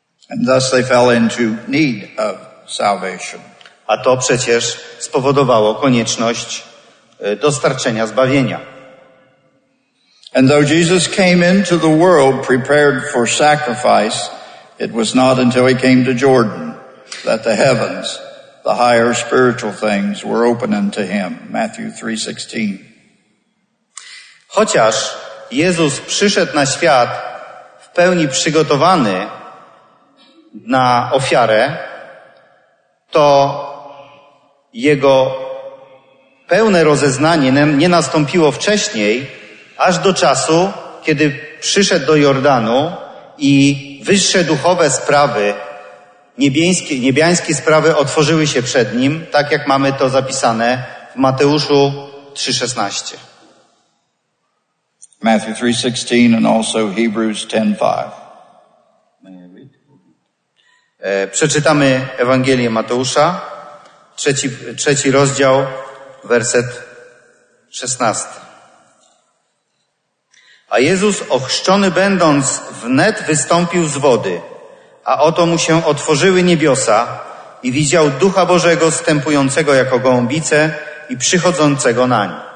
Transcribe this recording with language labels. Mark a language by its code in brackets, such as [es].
[en] And thus they fell into need of salvation. [pl] A to przecież spowodowało konieczność dostarczenia zbawienia. [en] And though Jesus came into the world prepared for sacrifice, it was not until he came to Jordan that the heavens, the higher spiritual things, were open unto him. Matthew 3:16. [pl] Chociaż Jezus przyszedł na świat w pełni przygotowany na ofiarę, to jego pełne rozeznanie nie nastąpiło wcześniej, aż do czasu, kiedy przyszedł do Jordanu i wyższe duchowe sprawy, niebiańskie sprawy otworzyły się przed nim, tak jak mamy to zapisane w Mateuszu 3:16. [en] Matthew 3:16 and also Hebrews 10:5. [pl] Przeczytamy Ewangelię Mateusza, trzeci rozdział, werset 16. A Jezus, ochrzczony będąc, wnet wystąpił z wody, a oto mu się otworzyły niebiosa i widział Ducha Bożego wstępującego jako gołąbice i przychodzącego nań.